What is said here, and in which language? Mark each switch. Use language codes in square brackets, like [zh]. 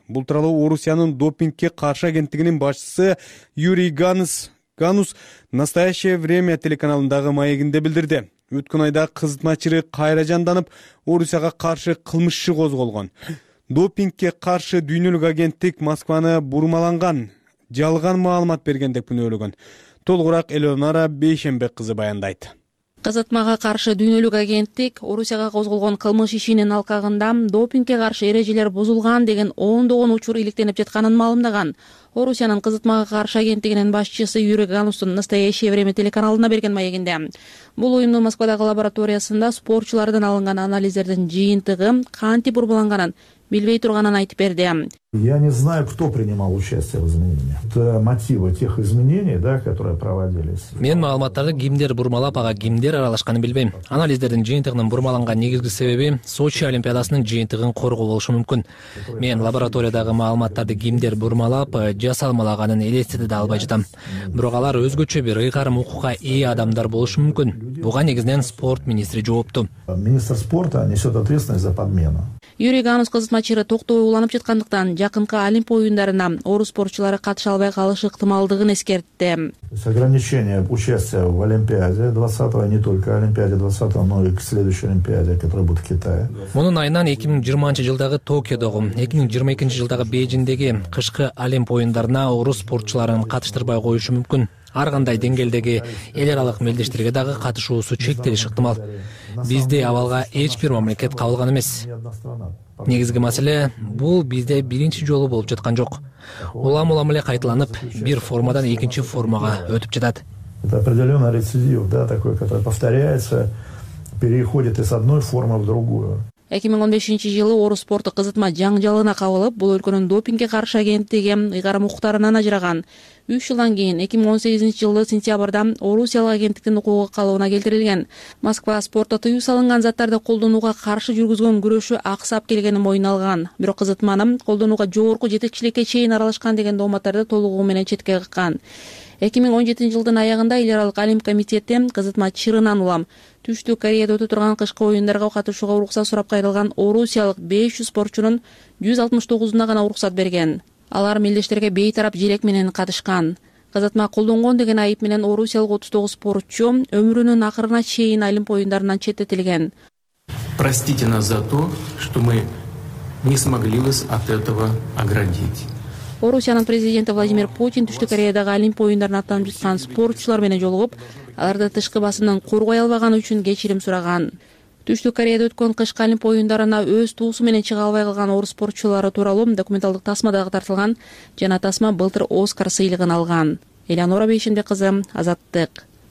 [ky] Бул тууралуу Орусиянын допингке каршы агенттигинин башчысы Юрий Ганус Настоящее время телеканалындагы маегинде билдирди. Өткөн айда кызытма чыры кайра жанданып, Орусияга каршы кылмыш иши козголгон. Допингке каршы дүйнөлүк агенттик Москваны бурмаланган, жалган маалымат берген деп күнөөлөгөн. Толугураак Элеонора Бейшенбек кызы баяндайт. Кызытмага каршы дүйнөлүк агенттик Орусияга козголгон кылмыш ишинин алкагында допингке каршы эрежелер бузулган деген ондогон учур иликтенип жатканын маалымдаган. Орусиянын кызытмага каршы агенттигинин башчысы Юрий Ганустун Настоящее время телеканалына берген маегинде. Бул уюмдун Москвадагы лабораториясында спортчулардан алынган анализдердин жыйынтыгы кантип бурмаланганын билбей турганын айтып берди. [ru] Я не знаю, кто принимал участие в изменении. Это мотивы тех изменений, да, которые проводились. [ky] Мен маалыматтарды кимдер бурмалап, ага кимдер аралашканын билбейм. Анализдердин жыйынтыгынын бурмаланган негизги себеби Сочи олимпиадасынын жыйынтыгын коргоо болушу мүмкүн. Мен лабораториядагы маалыматтарды кимдер бурмалап, жасалмалаганын элестете да албай жатам. Бирок алар өзгөчө бир ыйгарым укукка ээ адамдар болушу мүмкүн. Буга негизинен спорт министри жоопту. [ru] Министр спорта несет ответственность за подмену. [ky] Юрий Ганус кызматтан чыгып токтобой уланып жаткандыктан жакынкы олимпия оюндарына орус спортчулары катыша албай калышы ыктымалдыгын эскертти. [ru] Ограничение участия в олимпиаде 20-го, не только олимпиаде 20-го, но и к следующей олимпиаде, которая будет в Китае. [ky] Мунун айынан 2020 жылдагы Токиодогу, 2022 жылдагы Бээжиндеги кышкы олимпия оюндарына орус спортчуларын катыштырбай коюшу мүмкүн. Ар кандай деңгээлдеги эл аралык мелдештерге дагы катышуусу чектелиши ыктымал. Бизде абалга эч бир мамлекет кабылган эмес. Негизги маселе бул бизде биринчи жолу болуп жаткан жок. Улам мамиле кайталанып, бир формадан экинчи формага өтүп жатат. [ru] Это определённый рецидив, да, такой, который повторяется, переходит из одной формы в другую. [ky] 2015 жылы орус спорту кызытма жаңжалына кабылып, бул өлкөнүн допингке каршы агенттиги ыйгарым укуктарынан ажыраган. 3 жылдан кийин 2018 жылы сентябрда Орусиялык агенттиктин укугу калыбына келтирилген. Москва спортто тыюу салынган заттарды колдонууга каршы жүргүзгөн күрөшү аксап келгенин моюн алган. Бирок кызытманы колдонууга жогорку жетекчиликке чейин аралашкан деген дооматтарды толугу менен четке кыккан. 2017 жылдын аягында эл аралык олимп комитети кызытма чырынан улам түштүк кореяда өтө турган кышкы оюндарга катышууга уруксат сурап кайрылган орусиялык 500 спортчунун 169'уна гана уруксат берген. Алар мелдештерге бейтарап желек менен катышкан. Кызытма колдонгон деген айып менен орусиялык 39 спортчу өмүрүнүн акырына чейин олимп оюндарынан четтетилген. [ru] Простите нас за то, что мы не смогли вас от этого оградить. [ky] Орусиянын президенти Владимир Путин Түштүк Кореядагы олимп оюндарына аттанып жаткан спортчулар менен жолугуп, аларды тышкы басымдан коргой албаганы үчүн кечирим сураган. Түштүк Кореяда өткөн кышкы олимп оюндарына өз туусу менен чыга албай калган орус спортчулары тууралуу документалдык тасма дагы тартылган жана тасма былтыр Оскар сыйлыгын алган. Элеонора Бейшенбек кызы, Азаттык.